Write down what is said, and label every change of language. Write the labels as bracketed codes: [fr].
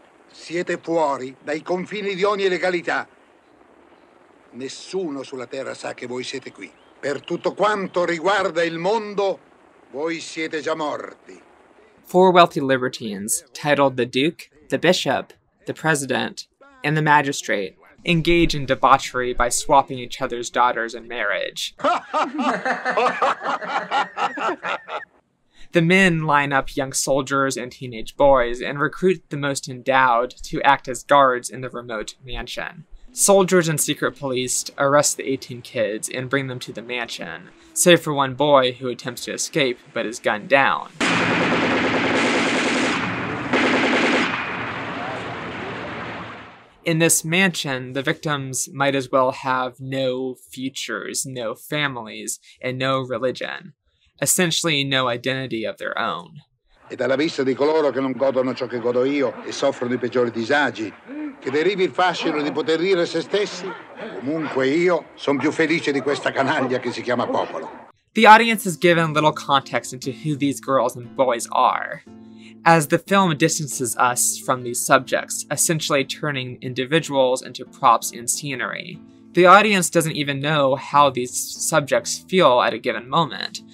[it] Siete fuori dai confini di ogni legalità. Nessuno sulla terra sa che voi siete qui. Per tutto quanto riguarda il mondo, voi siete già morti. [en] 4 wealthy libertines, titled the Duke, the Bishop, the President, and the Magistrate, engage in debauchery by swapping each other's daughters in marriage. The men line up young soldiers and teenage boys and recruit the most endowed to act as guards in the remote mansion. Soldiers and secret police arrest the 18 kids and bring them to the mansion, save for one boy who attempts to escape but is gunned down. In this mansion, the victims might as well have no futures, no families, and no religion. Essentially, no identity of their own. [it] E dalla vista di coloro che non godono ciò che godo io e soffrono i peggiori disagi, che derivi il fascino di poter dire se stessi, comunque io sono più felice di questa canaglia che si chiama popolo. [en] The audience is given little context into who these girls and boys are, as the film distances us from these subjects, essentially turning individuals into props and scenery. The audience doesn't even know how these subjects feel at a given moment.